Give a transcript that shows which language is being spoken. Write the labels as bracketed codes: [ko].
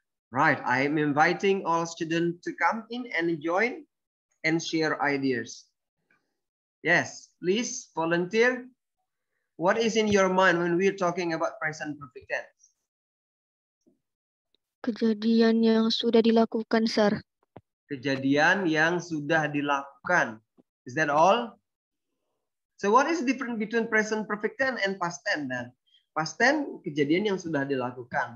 [en] Right, I am inviting all students to come in and join and share ideas. Yes, please volunteer. What is in your mind when we're talking about present perfect tense? [id] Kejadian yang sudah dilakukan, sir. Kejadian yang sudah dilakukan. [en] Is that all? So what is the difference between present perfect tense and past tense then? [id] Past tense, kejadian yang sudah dilakukan.